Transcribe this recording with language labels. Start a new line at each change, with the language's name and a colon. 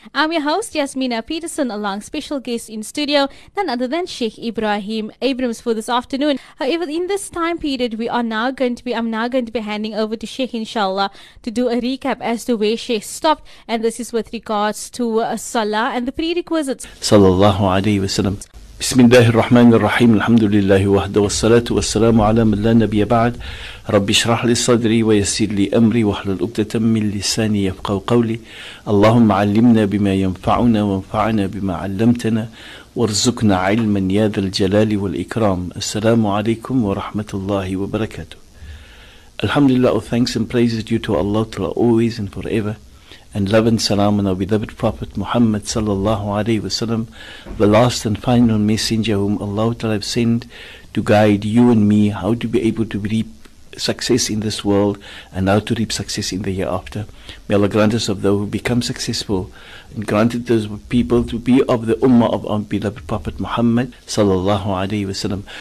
English: I'm your host, Yasmina Peterson, along special guest in studio, none other than Sheikh Ebrahim Abrams for this afternoon. However, in this time period, I'm now going to be handing over to Sheikh, inshallah, to do a recap as to where Sheikh stopped, and this is with regards to Salah and the prerequisites.
Arabic: Sallallahu alayhi wa sallam. بسم الله الرحمن الرحيم الحمد لله وحده والصلاة والسلام على من لا نبي بعد رب اشرح لي صدري ويسر لي أمري واحلل عقدة من لساني يفقهوا قولي اللهم علمنا بما ينفعنا وانفعنا بما علمتنا وارزقنا علما يا ذا الجلال والإكرام السلام عليكم ورحمة الله وبركاته الحمد لله
English: all thanks and praises due to Allah always and forever. And love and salam on our beloved Prophet Muhammad sallallahu alayhi wa sallam, the last and final messenger whom Allah Ta'ala have sent to guide you and me how to be able to reap success in this world and how to reap success in the hereafter. May Allah grant us of those who become successful and grant those people to be of the ummah of our beloved Prophet Muhammad sallallahu alayhi wa sallam.